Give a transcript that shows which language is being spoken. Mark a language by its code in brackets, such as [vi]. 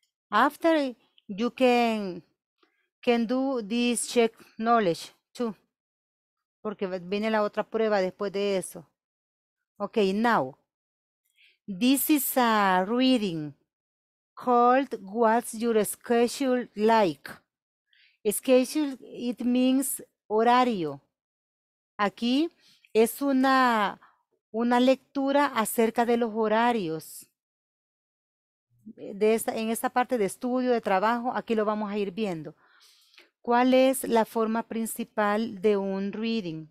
[en] After you can do this check knowledge too. [es] Porque viene la otra prueba después de eso. [en] Okay, now. This is a reading called What's Your Schedule Like? Schedule, it means horario. [es] Aquí es una lectura acerca de los horarios. En esta parte de estudio, de trabajo, aquí lo vamos a ir viendo. ¿Cuál es la forma principal de un reading?